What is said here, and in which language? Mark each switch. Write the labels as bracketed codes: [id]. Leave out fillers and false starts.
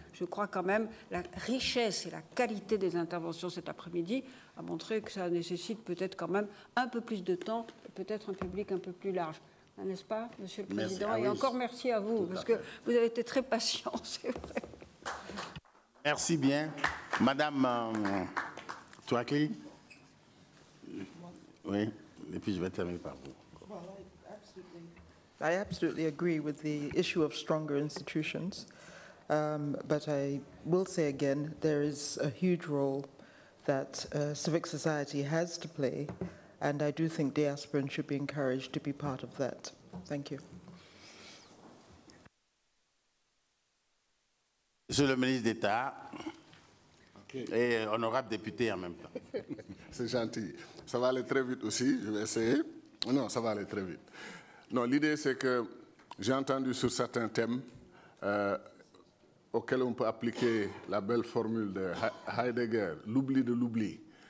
[fr] Je crois quand même la richesse et la qualité des interventions cet après-midi a montré que ça nécessite peut-être quand même un peu plus de temps, peut-être un public un peu plus large. N'est-ce pas, Monsieur le Président? Merci. Et encore merci à vous, parce que vous avez été très patient, c'est vrai. Merci bien. Madame Touakli. Oui, et puis je vais terminer par vous. [en] I absolutely agree with the issue of stronger institutions, but I will say again, there is a huge role that civic society has to play, and I do think diasporans should be encouraged to be part of that. Thank you. [fr] Monsieur le ministre d'État, okay, et honorable député en même temps. C'est gentil. Ça va aller très vite aussi, je vais essayer. Non, ça va aller très vite. Non, l'idée, c'est que j'ai entendu sur certains thèmes auxquels on peut appliquer la belle formule de Heidegger, l'oubli de l'oubli.